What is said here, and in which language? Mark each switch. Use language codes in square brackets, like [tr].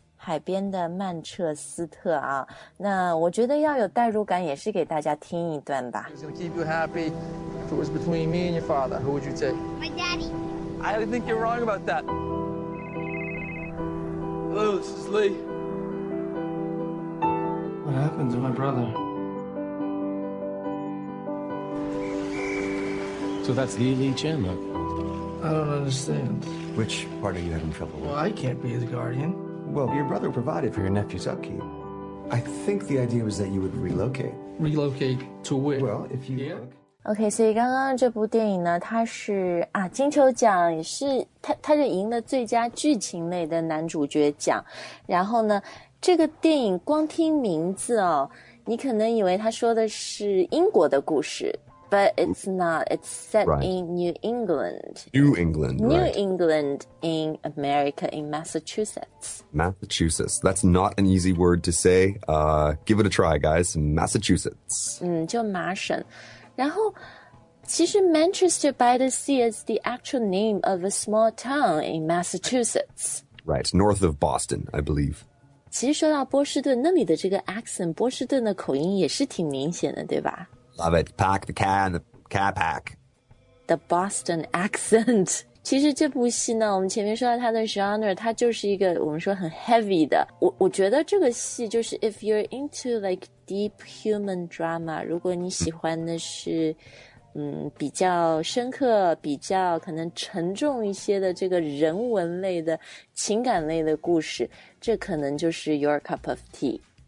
[zh] 海边的曼彻斯特啊那我觉得要有代入感也是给大家听一段吧 [en] It would keep you happy if it was between me and your father Who would you take? My daddy I don't think you're wrong about thatHello, this is Lee. What happened to my brother? So that's Lee Lee Chen, huh? I don't understand. Which part are you having trouble with? Well, I can't be his guardian. Well, your brother provided for your nephew's upkeep. I think the idea was that you would relocate. Relocate to where? Well, if you、yeah? look... [zh] OK, 所以刚刚这部电影呢它是啊金球奖也是它就赢了最佳剧情类的男主角奖。然后呢这个电影光听名字哦你可能以为它说的是英国的故事。 [en] But it's not, it's set、 right. in New England. New England, New、 right. England in America, in Massachusetts. Massachusetts, that's not an easy word to say. Give it a try, guys, Massachusetts. [zh] 就麻省。然后其实 [en] Manchester by the Sea is the actual name of a small town in Massachusetts. Right, north of Boston, I believe. [zh] 其实说到波士顿那里的这个 accent, 波士顿的口音也是挺明显的对吧 [en] Love it, pack the cat and the cat pack. The Boston accent. [zh] 其实这部戏呢我们前面说到它的 genre, 它就是一个我们说很 heavy 的。我觉得这个戏就是 [en] if you're into like,Deep human drama, [zh] 如果你喜欢的是、比较深刻比较可能沉重一些的这个人文类的情感类的故事这可能就是 [en] your cup of tea.